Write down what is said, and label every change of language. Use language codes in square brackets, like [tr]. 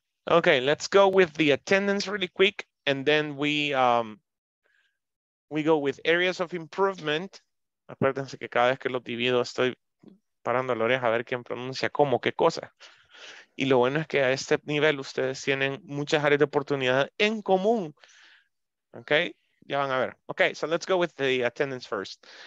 [en] Okay, let's go with the attendance really quick, and then we go with areas of improvement. [es] Acuérdense que cada vez que los divido estoy parando la oreja a ver quién pronuncia cómo, qué cosa. Y lo bueno es que a este nivel ustedes tienen muchas áreas de oportunidad en común. Okay, ya van a ver. [en] Okay, so let's go with the attendance first.